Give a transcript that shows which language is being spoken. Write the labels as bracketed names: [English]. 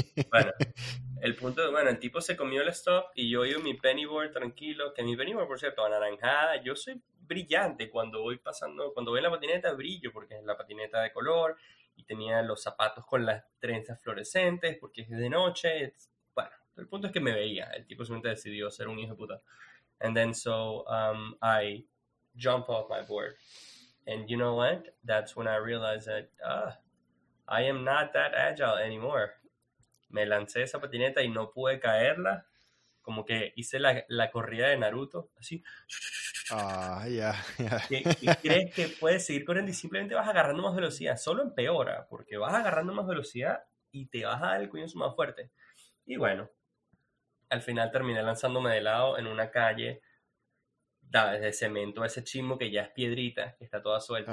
[Spanish] Bueno, el tipo se comió el stop y yo iba mi pennyboard tranquilo, que mi pennyboard, por cierto, anaranjada. Yo soy brillante cuando voy pasando, cuando voy en la patineta brillo porque es la patineta de color y tenía los zapatos con las trenzas fluorescentes porque es de noche. Bueno, el punto es que me veía. El tipo simplemente decidió ser un hijo de puta. [English] And then so I jump off my board. And you know what? That's when I realized that I am not that agile anymore. [Spanish] Me lancé esa patineta y no pude caerla. Como que hice la corrida de Naruto, así. [English] Yeah. [Spanish] ¿Y crees que puedes seguir corriendo y simplemente vas agarrando más velocidad? Solo empeora, porque vas agarrando más velocidad y te vas a dar el cuñazo más fuerte. Y bueno, al final terminé lanzándome de lado en una calle de cemento, ese chimbo que ya es piedrita, que está toda suelta.